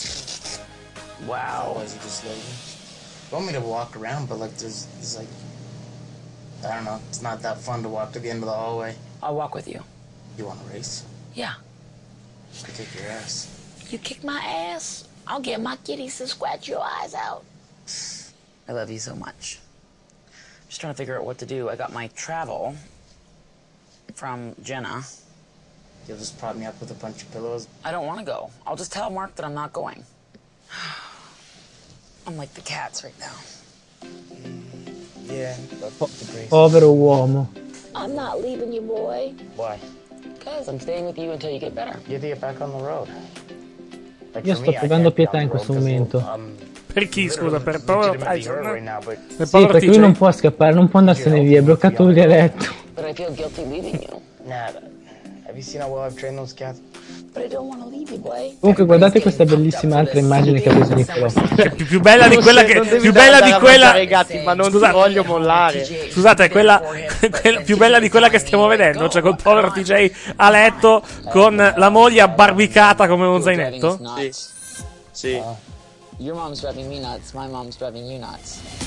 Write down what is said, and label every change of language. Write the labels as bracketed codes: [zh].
[it] mettono queste sulle gambe? Per prevenire il blood clot. Wow. [en] Want me to walk around, but like there's like, I don't know, it's not that fun to walk to the end of the hallway. I'll walk with you. You want to race? Yeah. I kick your ass. You kick my ass? I'll get my kitties to scratch your eyes out. I love you so much. Just trying to figure out what to do. I got my travel from Jenna. You'll just prop me up with a bunch of pillows? I don't want to go. I'll just tell Mark that I'm not going. I'm like the cats right now. [it] Povero uomo. [en] I'm not leaving you, boy. Why? Because I'm staying with you until you get better. You get back on the road. [it] Like io sto provando pietà in questo momento. Per chi, scusa, per povero Tyson. Right sì, perché TJ. Lui non può scappare, non può andarsene via, è bloccato lì a letto. [en] But I feel guilty leaving you. Nah, have you seen how well I've trained those cats? [it] Comunque guardate questa bellissima altra immagine che ha preso Nicolò. Più bella di quella che più bella di quella gatti, ma non scusate, ti voglio mollare. Scusate, è quella più bella di quella che stiamo vedendo, cioè col povero TJ a letto con la moglie abbarbicata come un zainetto. Sì. [en] Your mom's driving me nuts, my mom's driving you nuts.